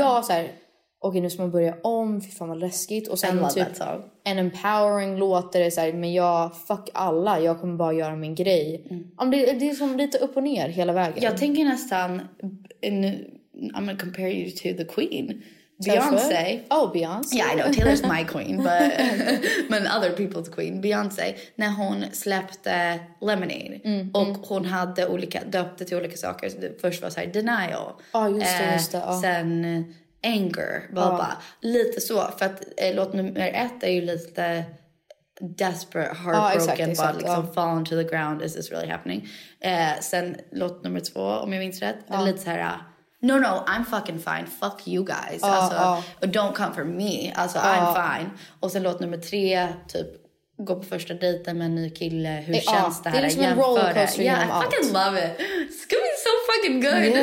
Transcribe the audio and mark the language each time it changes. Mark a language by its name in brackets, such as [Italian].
[Swedish] Ja, så här, okej, nu ska man börja om, fy fan vad läskigt. Och sen typ en empowering låt där det är så här, men jag, fuck alla, jag kommer bara göra min grej. Mm. Det är som lite upp och ner hela vägen. Jag tänker nästan, [English] I'm gonna compare you to the queen. Beyoncé. Oh, Beyoncé. Yeah, I know, Taylor's my queen, but [Swedish] men [English] other people's queen. [Swedish] Beyoncé, när hon släppte Lemonade. Mm. Och hon hade olika, döpte till olika saker. Först var så här, denial. Ja, just det. Sen... anger, bara lite så, för att låt nummer ett är ju lite [English] desperate, heartbroken, exactly. Falling to the ground, is this really happening? [Swedish] Sen låt nummer två, om jag minns rätt, det är lite så här, [English] no, I'm fucking fine, fuck you guys, don't come for me, [Swedish] alltså [English] I'm fine. [Swedish] Och sen låt nummer tre, typ gå på första dejten med en ny kille, hur känns det här, det är liksom jämför det. [English] Yeah, I fucking love it. It's gonna be so fucking good.